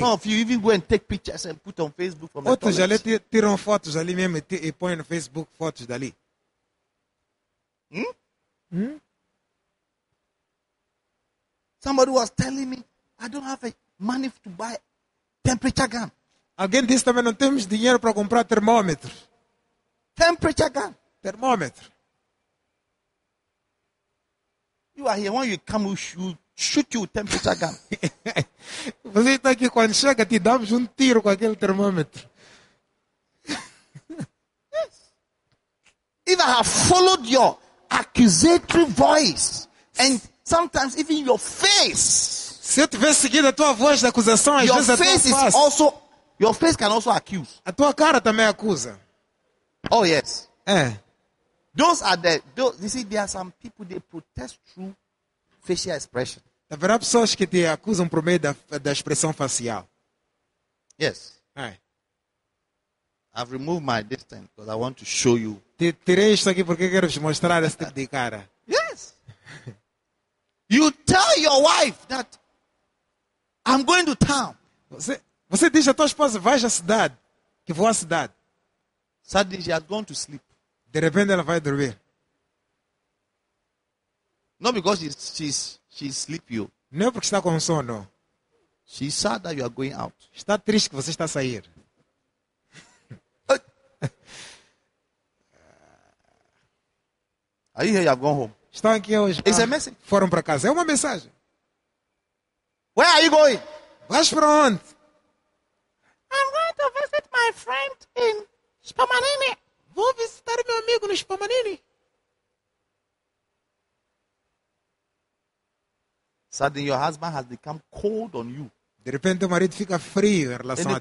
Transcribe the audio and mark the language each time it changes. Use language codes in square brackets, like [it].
[en] Some of you even go and take pictures and put on Facebook from the toilet. [pt] Outros já tiram fotos ali mesmo e põem no Facebook fotos dali. [en] Somebody was telling me, I don't have money to buy temperature gun. [pt] Alguém disse também, não temos dinheiro para comprar termômetro. [en] Temperature gun. [pt] Termômetro. [en] You are here, when you come, we should shoot you with temperature gun. [pt] Você está aqui, quando chega, te damos um tiro com aquele termômetro. [en] Yes. If I have followed your accusatory voice, and sometimes even your face, [pt] se eu tivesse seguido a tua voz de acusação, às vezes a tua face [en] is also, your face can also accuse. [pt] A tua cara também acusa. [en] Oh, yes. [pt] É. [en] Those are the, you see, there are some people, they protest through facial expression. [pt] Haverá pessoas que te acusam por meio da expressão facial. [en] Yes. [pt] É. [en] I've removed my distance because I want to show you. [pt] Tirei isso aqui porque quero te mostrar esse tipo de cara. [en] Yes. You tell your wife that I'm going to town. [pt] Você diz a tua esposa, vai à cidade. Que vou à cidade. [en] Suddenly she has gone to sleep. [pt] De repente ela vai dormir. [en] Not because she's sleepy. [pt] Não porque está com sono. [en] She's sad that you are going out. [pt] Está triste que você está a sair. [en] Are you here? You have gone home. [pt] Estão aqui hoje. [en] It's a message. [pt] Foram para casa. É uma mensagem. [en] Where are you going? [pt] Vais para onde? [en] I'm going to visit my friend in Spamanini. [pt] Vou visitar meu amigo no Spamanini. [en] Suddenly your husband has become cold on you. [pt] De repente o marido fica frio em relação a ti.